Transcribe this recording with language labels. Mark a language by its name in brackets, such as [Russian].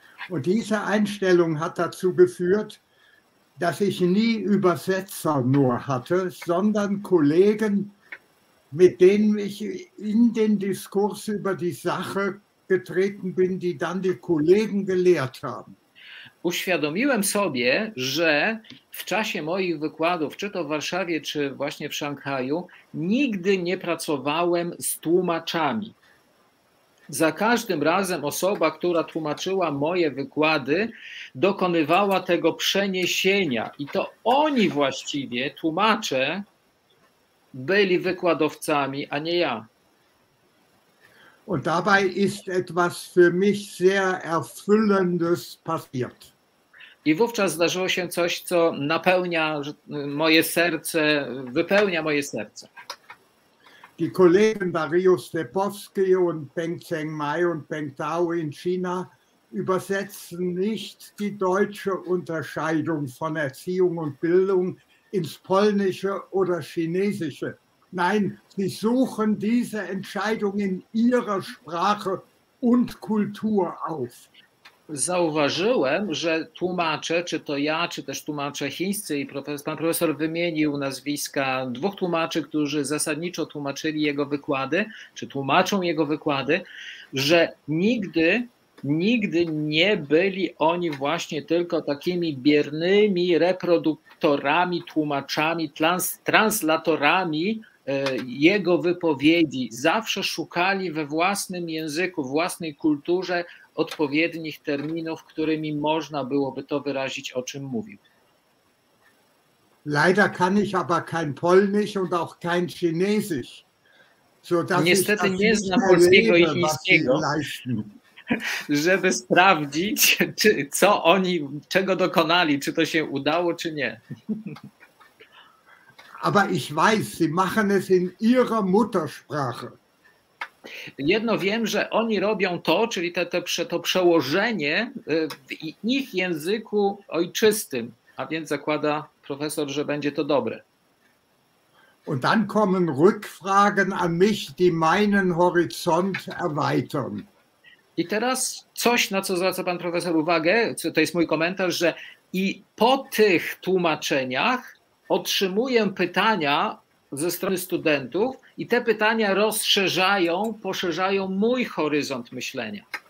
[German] Und diese Einstellung hat dazu geführt, dass ich nie Übersetzer nur hatte, sondern Kollegen, mit denen ich in den Diskurs über die Sache getreten bin, die dann die Kollegen gelehrt haben. [Polish] Uświadomiłem sobie, że w czasie moich wykładów, czy to w Warszawie, czy właśnie w Szanghaju, nigdy nie pracowałem z tłumaczami. Za każdym razem osoba, która tłumaczyła moje wykłady, dokonywała tego przeniesienia. I to oni właściwie, tłumacze, byli wykładowcami, a nie ja. [German] Und dabei ist etwas für mich sehr erfüllendes passiert. [Polish] I wówczas zdarzyło się coś, co napełnia moje serce, wypełnia moje serce. [German] Die Kollegen Dario Stepowski und Peng Zhengmai und Peng Tao in China übersetzen nicht die deutsche Unterscheidung von Erziehung und Bildung ins Polnische oder Chinesische. Nein, sie suchen diese Entscheidung in ihrer Sprache und Kultur auf. [Polish] Zauważyłem, że tłumacze, czy to ja, czy też tłumacze chińscy, i pan profesor wymienił nazwiska dwóch tłumaczy, którzy zasadniczo tłumaczyli jego wykłady, czy tłumaczą jego wykłady, że nigdy, nigdy nie byli oni właśnie tylko takimi biernymi reproduktorami, tłumaczami, translatorami jego wypowiedzi. Zawsze szukali we własnym języku, własnej kulturze odpowiednich terminów, którymi można byłoby to wyrazić, o czym mówił. [German] Leider kann ich aber kein Polnisch und auch kein Chinesisch. [Polish] Niestety nie znam polskiego i chińskiego, żeby sprawdzić, czy, co oni, czego dokonali, czy to się udało, czy nie. [German] Aber ich weiß, sie machen es in ihrer Muttersprache. [Polish] Jedno wiem, że oni robią to, czyli to przełożenie w ich języku ojczystym, a więc zakłada profesor, że będzie to dobre. [German] Und dann kommen Rückfragen an mich, die meinen Horizont erweitern. [Polish] I teraz coś, na co zwraca pan profesor uwagę, to jest mój komentarz, że i po tych tłumaczeniach otrzymuję pytania ze strony studentów i te pytania rozszerzają, poszerzają mój horyzont myślenia.